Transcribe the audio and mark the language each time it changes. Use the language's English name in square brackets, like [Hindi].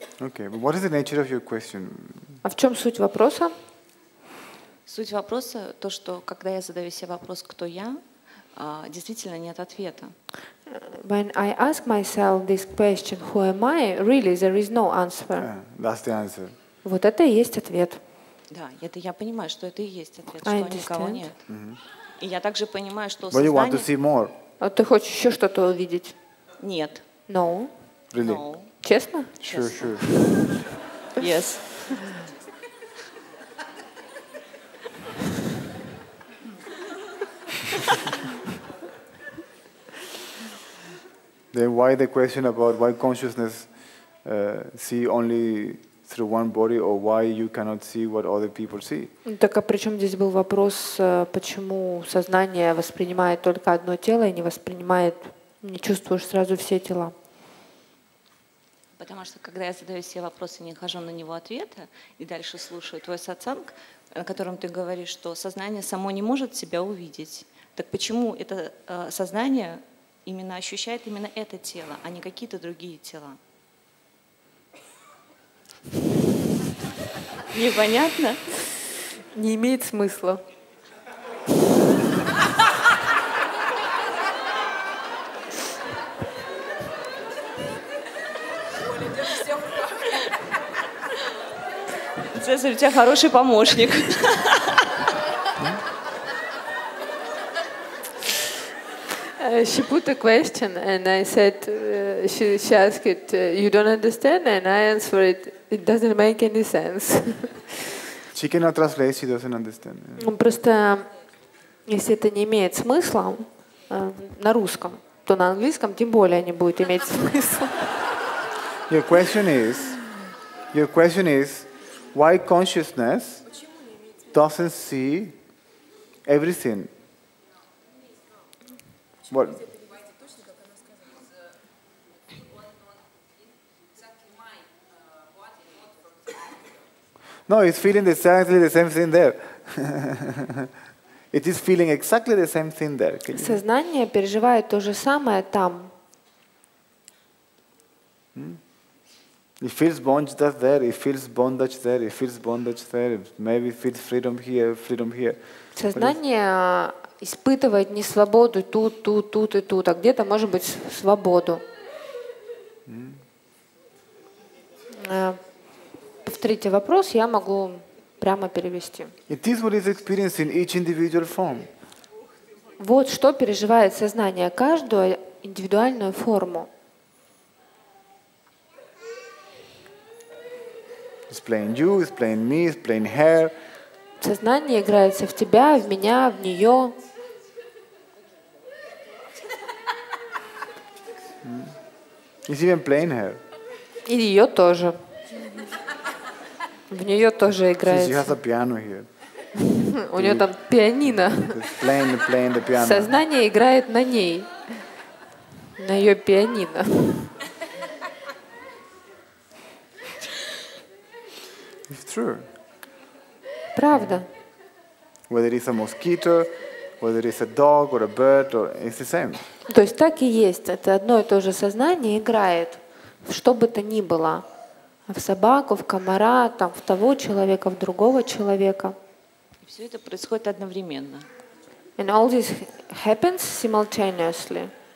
[English] Okay, but what is the nature of your question? [Russian] А в чем суть вопроса? Суть вопроса то, что когда я задаю себе вопрос, кто я, действительно нет ответа. [English] When I ask myself this question, who am I, really there is no answer. Yeah, that's the answer. [Russian] Вот это и есть ответ. Да, это я понимаю, что это и есть ответ, что никого нет. Mm-hmm. И я также понимаю, что. [English] But you want to see more. [Russian] А ты хочешь еще что-то увидеть? Нет. [English] No. Really? No. [Russian] Честно? [English] Sure, sure. Yes. Then why the question about why consciousness see only through one body or why you cannot see what other people see? [Russian] Так а при чем здесь был вопрос, почему сознание воспринимает только одно тело и не воспринимает, не чувствуешь сразу все тела? Потому что когда я задаю себе вопрос и не нахожу на него ответа, и дальше слушаю твой сатсанг, о котором ты говоришь, что сознание само не может себя увидеть, так почему это сознание именно ощущает именно это тело, а не какие-то другие тела? Непонятно? Не имеет смысла. Цезарь, у тебя хороший помощник. [English] She put a question and I said she asked it you don't understand and I answer it doesn't make any sense. She cannot translate, she doesn't understand. [Russian] Просто если это не имеет смысла на русском, то на английском тем более не будет иметь смысла. [English] Your question is why consciousness doesn't see everything? What? No, it's feeling exactly the same thing there. It is feeling exactly the same thing there. Can you... [Russian] Сознание переживает то же самое там. [English] It feels bondage there. It feels bondage there. It feels bondage there. Maybe feels freedom here. Freedom here. [Russian] Сознание испытывает не свободу тут, тут, тут и тут, а где-то может быть свободу. Повторите вопрос, я могу прямо перевести. [English] It is what is experienced in each individual form. [Russian] Вот что переживает сознание каждую индивидуальную форму. [English] It's playing you, it's playing me, it's playing her. [Russian] Сознание играется в тебя, в меня, в нее. [English] He's even playing her. [Russian] И ее тоже. В нее тоже играется. [English] She has a piano here. [Russian] У нее там пианино. [English] Playing the piano. [Russian] Сознание играет на ней. На ее пианино. [English] It's true. [Russian] Правда. [English] Whether it's a mosquito, whether it's a dog or a bird, or it's the same. [Russian] То есть так и есть. Это одно и то же сознание играет в что бы то ни было. В собаку, в комара, там, в того человека, в другого человека. И все это происходит одновременно. [English] And all this happens simultaneously.